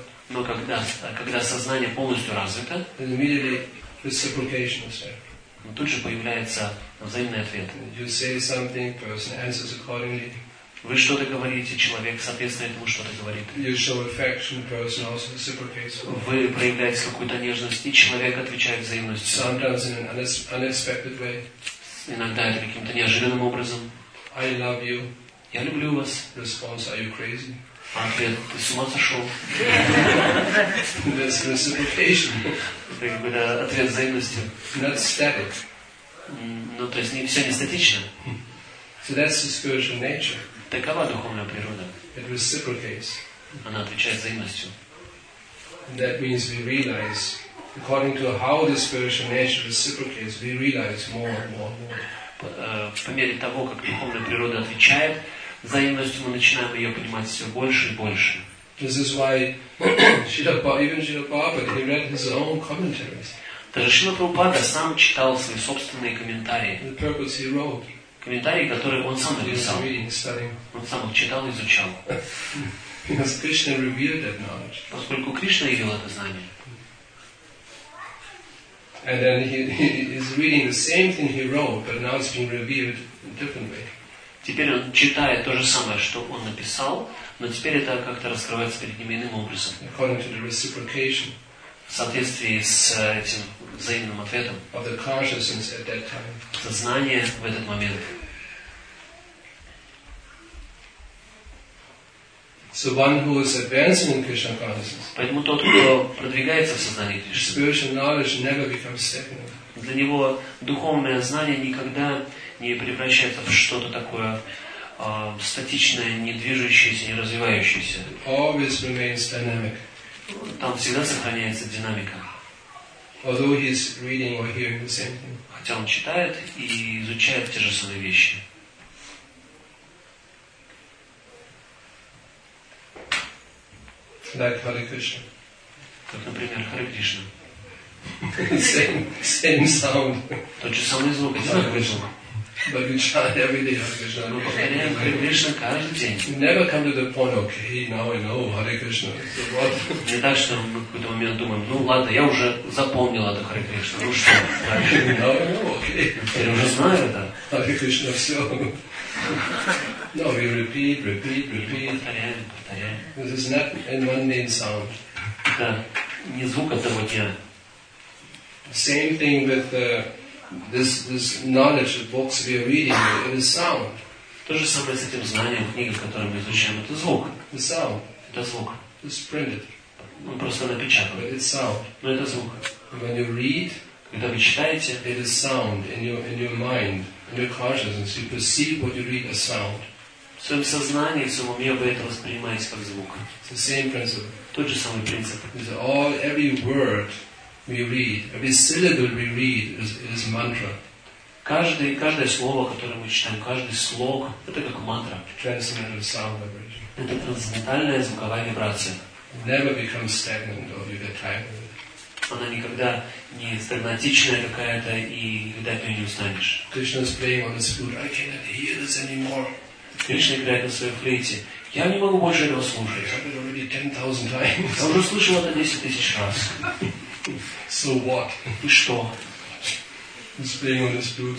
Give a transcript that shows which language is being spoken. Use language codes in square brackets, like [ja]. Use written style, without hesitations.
[ru] Но когда сознание полностью развито, но тут же появляется взаимный ответ. [en] You say something, person answers accordingly. [ru] Вы что-то говорите, человек соответственно этому что-то говорит. [en] You show affection, person also reciprocates. [ru] Вы проявляете какую-то нежность, и человек отвечает взаимностью. [en] Sometimes in an unexpected way. [ru] Иногда это каким-то неожиданным образом. [en] I love you. [ru] Я люблю вас. [en] Response, are you crazy? [ru] Ответ, ты с ума сошел. [en] That's reciprocation. [ru] Это как бы ответ взаимностью. [en] Not static. [ru] Ну, то есть все не статично. [en] So that's the spiritual nature. [ru] Такова духовная природа. [en] It reciprocates. [ru] Она отвечает взаимностью. [en] And that means we realize, according to how the spiritual nature reciprocates, we realize more and more and more. [ru] По мере того, как духовная природа отвечает взаимностью, мы начинаем ее понимать все больше и больше. [en] This is why even Srila Prabhupada, he read his own commentaries. [ru] Даже Шрила Прабхупада сам читал свои собственные комментарии. [en] The purpose he wrote. [ru] Комментарии, которые он сам написал. [en] Reading, studying. [ru] Он сам их читал и изучал. [en] Because Krishna revealed that knowledge. [ru] Поскольку Кришна явил это знание. [en] And then he is reading the same thing he wrote, but now it's been revealed in a different way. [ru] Теперь он читает то же самое, что он написал, но теперь это как-то раскрывается перед ним иным образом. [en] According to the reciprocation. [ru] В соответствии с этим взаимным ответом. [en] Of the consciousness at that time. [ru] Сознание в этот момент. [en] So one who is advancing in Krishna consciousness. [ru] Поэтому тот, кто продвигается в сознании Кришны. [en] Spiritual knowledge never becomes stagnant. [ru] Для него духовное знание никогда не превращается в что-то такое статичное, недвижущееся, неразвивающееся. [en] Always remains dynamic. [ru] Там всегда сохраняется динамика. [en] Although he's reading or hearing the same thing. [ru] Хотя он читает и изучает те же самые вещи. [en] Like Hare Krishna. [ru] Как, например, Hare Krishna. [en] same sound. [ru] Тот же самый звук, Hare Krishna. [en] But we try every day Hare Krishna. [ru] Мы повторяем Hare Krishna каждый день. [en] You never come to the point, okay, now I know Hare Krishna. So what? [ru] Не так, что мы в какой-то момент думаем, ну ладно, я уже запомнил это Hare Krishna, ну что? [en] Now I know, okay. [ru] Я уже знаю это. Hare Krishna, все. [en] No, we repeat. [ru] Мы повторяем. [en] This is not an mundane sound. [ru] Это не звук одного дня. [en] Same thing with this knowledge, the books we are reading, it is sound. [ru] То же самое с этим знанием, книгой, которую мы изучаем, это звук. [en] The sound. [ru] Это звук. [en] It's printed. [ru] Он просто напечатан. [en] But it's sound. [ru] Но это звук. [en] When you read, [ru] когда вы читаете, [en] it is sound in your mind, in your consciousness, you perceive what you read as sound. [ru] В своем сознании, в своем уме вы это воспринимаете как звук. [en] It's the same principle. [ru] Тот же самый принцип. [en] It's all, every word we read, every syllable we read is mantra. [ru] каждое слово, которое мы читаем, каждый слог, это как мантра. [en] Transcendental sound vibration. [ru] Это трансцендентальная звуковая вибрация. [en] Never becomes stagnant or you get tired of it. [ru] Она никогда не стагнатичная какая-то и никогда от нее не устанешь. [en] Krishna is playing on his flute. I cannot hear this anymore. [ru] Кришна играет на своей флейте. Я не могу больше этого слушать. [en] I've heard it already 10,000 times. [ru] Я уже слышал это 10,000 раз. [en] So what? [ru] И что? [en] He's playing on his flute.